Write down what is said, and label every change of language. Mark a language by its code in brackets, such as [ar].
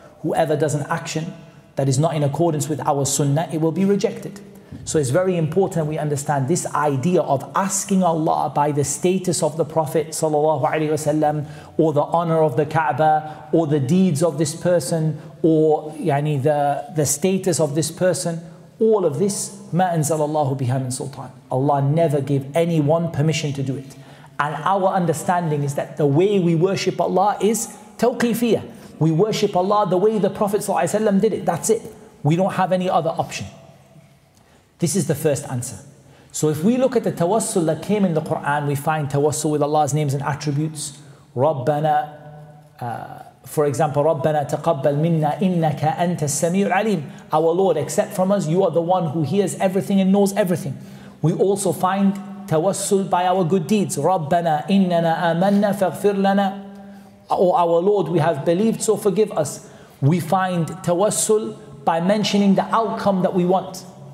[en] Whoever does an action that is not in accordance with our sunnah, it will be rejected. So it's very important we understand this idea of asking Allah by the status of the Prophet ﷺ, or the honor of the Kaaba, or the deeds of this person, or yani the status of this person. All of this, [ar] مَا أَنْزَلَ اللَّهُ بِهَا مِنْ سُلْطَانٍ. [en] Allah never gave anyone permission to do it. And our understanding is that the way we worship Allah is tawqifiyah. We worship Allah the way the Prophet ﷺ did it. That's it. We don't have any other option. This is the first answer. So if we look at the tawassul that came in the Quran, we find tawassul with Allah's names and attributes. Rabbana, For example, [ar] رَبَّنَا تَقَبَّلْ مِنَّا إِنَّكَ أَنْتَ السَّمِيعُ الْعَلِيمُ. [en] Our Lord, accept from us, you are the one who hears everything and knows everything. We also find tawassul by our good deeds. [ar] رَبَّنَا إِنَّنَا آمَنَّا فَاغْفِرْ لَنَا. [en] Oh, our Lord, we have believed, so forgive us. We find tawassul by mentioning the outcome that we want.